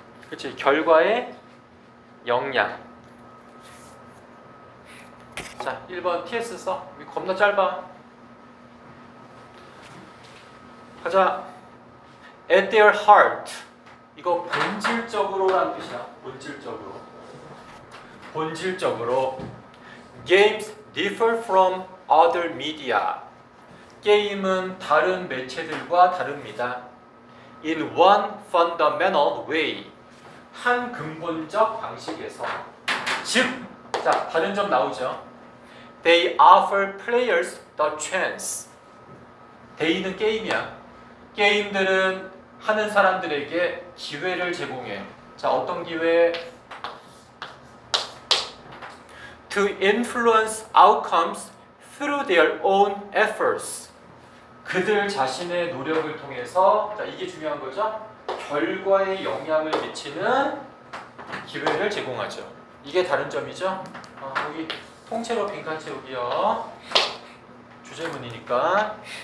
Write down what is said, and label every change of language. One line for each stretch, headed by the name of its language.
Korean: 그치, 결과에 영향. 자, 1번 TS 써. 겁나 짧아.
English: 가자. At their heart.
Korean: 이거 본질적으로란 뜻이야. 본질적으로. 본질적으로.
English: Games differ from other media.
Korean: 게임은 다른 매체들과 다릅니다.
English: In one fundamental way.
Korean: 한 근본적 방식에서. 즉, 자, 다른 점 나오죠.
English: They offer players the chance.
Korean: They는 게임이야. 게임들은 하는 사람들에게 기회를 제공해. 자, 어떤 기회?
English: To influence outcomes through their own efforts.
Korean: 그들 자신의 노력을 통해서, 자, 이게 중요한 거죠? 결과에 영향을 미치는 기회를 제공하죠. 이게 다른 점이죠? 여기 통째로 빈칸 채우기요. 주제문이니까.